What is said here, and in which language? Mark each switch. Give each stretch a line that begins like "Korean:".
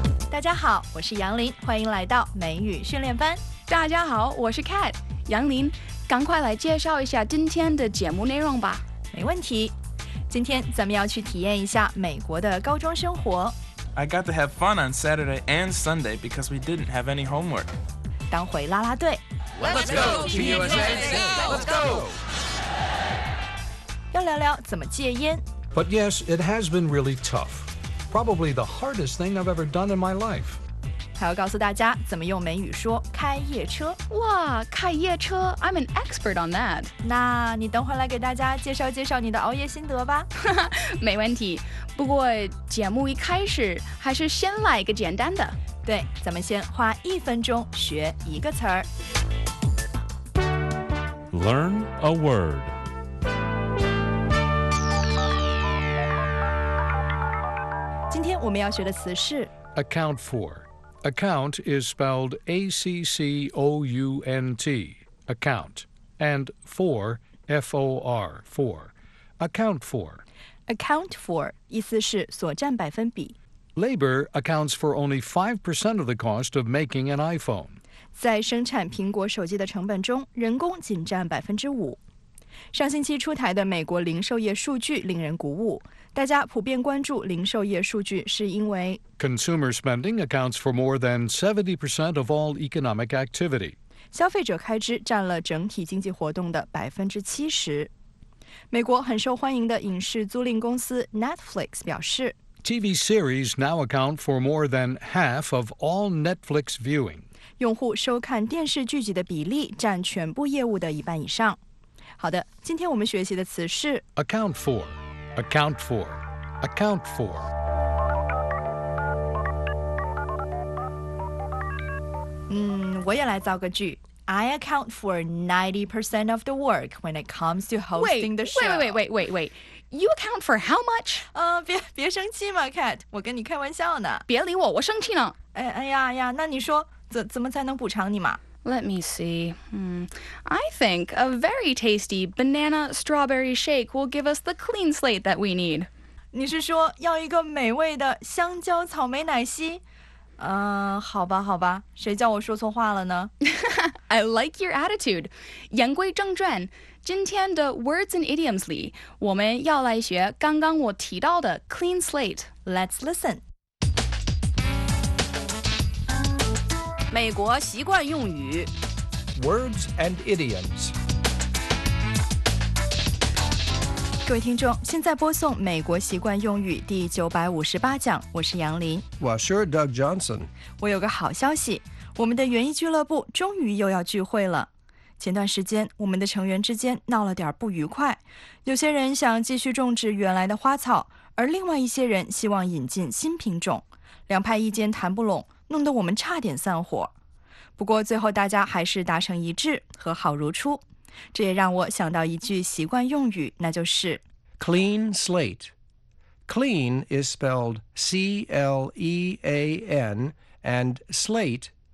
Chinese: 大家好，我是杨林，欢迎来到美语训练班。大家好，我是 Cat。杨林，赶快来介绍一下今天的节目内容吧。没问题，今天咱们要去体验一下美国的高中生活。
English: I got to have fun on Saturday and Sunday because we didn't have any homework.
Chinese: 当回啦啦队。
English: Let's go, Team USA! Let's go!
Chinese: 要聊聊怎么戒烟。
English: But yes, it has been really tough. Probably the hardest thing I've ever done in my life.
Chinese: 还要告诉大家怎么用美语说开夜车。哇，开夜车
English: ,I'm an expert on that.
Chinese: 那你等会来给大家介绍介绍你的熬夜心得吧。没问题。不过节目一开始还是先来一个简单的。对，咱们先花一分钟学一个词儿。
English: Learn a word.
Chinese: 今天我们要学的词是
English: Account for. Account is spelled A-C-C-O-U-N-T. Account. And for, F-O-R, for. Account for.
Chinese: Account for, 意思是所占百分比。
English: Labor accounts for only 5% of the cost of making an iPhone.
Chinese: 在生产苹果手机的成本中，人工仅占5%。上星期出台的美国零售业数据令人鼓舞。大家普遍关注零售业数据是因为
English: Consumer spending accounts for more than 70% of all economic activity.
Chinese: 消费者开支占了整体经济活动的70%。美国很受欢迎的影视租赁公司 Netflix 表示
English: TV series now account for more than half of all Netflix viewing.
Chinese: 用户收看电视剧集的比例占全部业务的一半以上。好的，今天我们学习的词是
English: Account for, account for, account for.
Chinese: 我也来造个句。
English: I account for 90% of the work when it comes to hosting the show. Wait. You account for how much?
Chinese: 别生气嘛 ,Cat. 我跟你开玩笑呢。别理我，我生气呢。哎呀，那你说怎么才能补偿你嘛？
English: Let me see. I think a very tasty banana strawberry shake will give us the clean slate that we need.
Chinese: 你是说要一个美味的香蕉草莓奶昔？好吧，谁叫我说错话了呢？
English: I like your attitude.
Chinese: 言归正传，今天的 Words and Idioms 里，我们要来学刚刚我提到的 Clean Slate.
English: Let's listen.
Chinese: 美国习惯用语
English: Words and Idioms.
Chinese: 各位听众，现在播送美国习惯用语第958讲，我是杨林。
English: Well, sure, Doug Johnson.
Chinese: 我有个好消息。我们的园艺俱乐部终于又要聚会了。前段时间，我们的成员之间闹了点不愉快，有些人想继续种植原来的花草，而另外一些人希望引进新品种，两派意见谈不拢，弄得我们差点散伙。不过最后大家还是达成一致，和好如初。这也让我想到一句习惯用语，那就是
English: Clean slate. Clean is spelled C-L-E-A-N and slate.